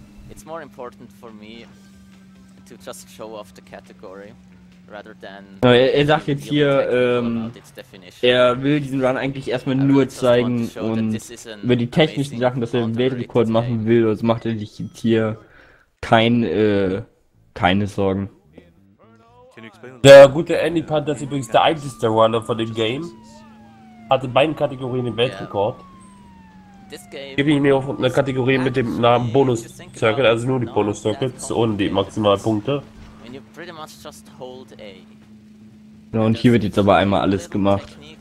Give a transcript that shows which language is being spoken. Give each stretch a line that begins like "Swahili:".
English: It's more important for me to just show off the category.
German: Ja, er sagt jetzt hier, er will diesen Run eigentlich erstmal nur zeigen und über die technischen Sachen, dass er einen Weltrekord machen will, also macht er sich jetzt hier keine Sorgen. Der gute Andy Panther ist übrigens der einzige Runner von dem Game, hat in beiden Kategorien den Weltrekord. Gebe ich mir auch eine Kategorie mit dem Namen Bonus Circuit, also nur die Bonus Circuits und die Maximalpunkte.
English: You pretty much just hold A.
German: Ja, und hier wird jetzt aber einmal alles gemacht.